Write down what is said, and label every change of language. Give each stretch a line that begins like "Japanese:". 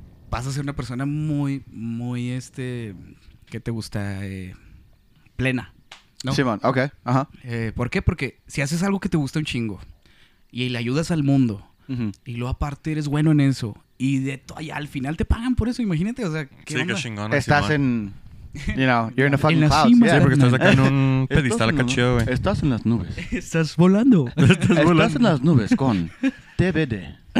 Spanish: Vas a ser una persona muy, muy que te gusta, plena. No. Simón, ok. Ajá. ¿Por qué? Porque si haces algo que te gusta un chingo y le ayudas al mundo y luego aparte eres bueno en eso y de todo allá al final te pagan por eso, imagínate. O sea, ¿qué onda? Que chingón. Estás en,
English: you're in a fucking cloud.
Spanish: Sí, porque estás acá en un pedestal cachido, güey. Estás en las nubes. Estás volando. Estás en las nubes con TBD.